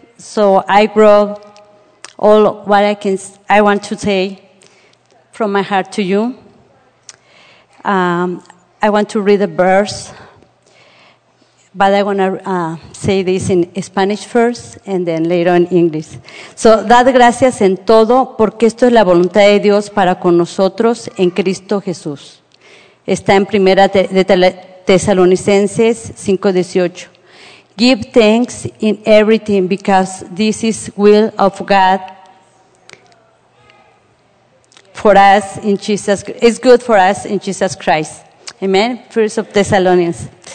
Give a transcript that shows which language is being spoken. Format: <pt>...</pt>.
<en>So I brought all what I want to say from my heart to you. I want to read a verse, but I want to say this in Spanish first and then later in English.</en> <es>So, dad gracias en todo porque esto es la voluntad de Dios para con nosotros en Cristo Jesús. Está en Primera de Tesalonicenses 5:18.</es> <en>Give thanks in everything because this is will of God for us in Jesus. It's good for us in Jesus Christ. Amen. First of Thessalonians.</en>